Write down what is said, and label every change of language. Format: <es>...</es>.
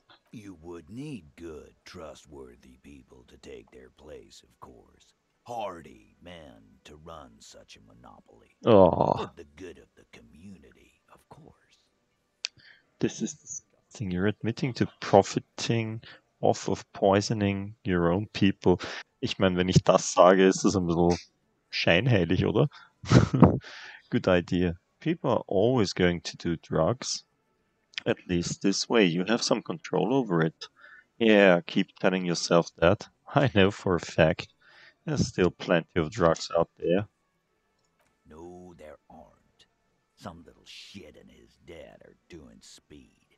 <en>You would need good, trustworthy people to take their place, of course. Hardy men to run such a monopoly. For the good of the community, of course. This is disgusting. You're admitting to profiting off of poisoning your own people.</en> <de>Ich meine, wenn ich das sage, ist das ein bisschen scheinheilig, oder?</de> <en>Good idea. People are always going to do drugs. At least this way, you have some control over it. Yeah, keep telling yourself that. I know for a fact. There's still plenty of drugs out there. No, there aren't. Some little shit and his dad are doing speed.</en>